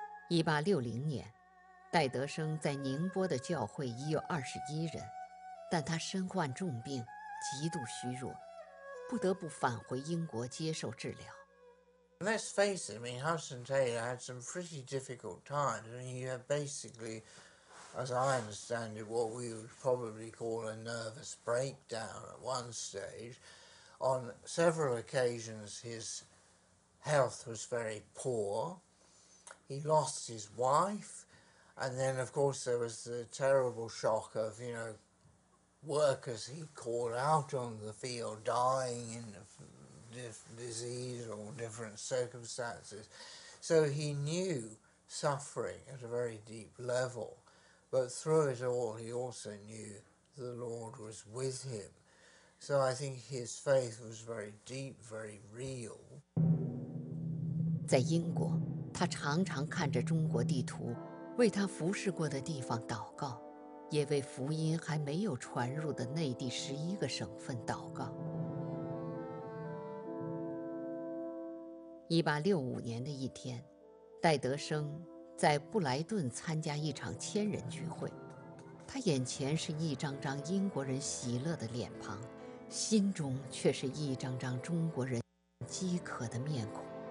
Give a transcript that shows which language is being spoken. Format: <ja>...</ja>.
<zh>1860年，戴德生在宁波的教会已有21人，但他身患重病，极度虚弱，不得不返回英国接受治疗。</zh> <en>Let's face it, I mean, Hudson Taylor had some pretty difficult times. I mean, he had basically, as I understand it, what we would probably call a nervous breakdown at one stage. On several occasions, his health was very poor. He lost his wife. And then, of course, there was the terrible shock of, you know, workers he called out on the field dying in disease or different circumstances. So he knew suffering at a very deep level, but through it all he also knew the Lord was with him. So I think his faith was very deep, very real.</en> <zh>在英国，他常常看着中国地图，为他服侍过的地方祷告，也为福音还没有传入的内地11个省份祷告。 1865年的一天，戴德生在布莱顿参加一场千人聚会，他眼前是一张张英国人喜乐的脸庞，心中却是一张张中国人饥渴的面孔。</zh>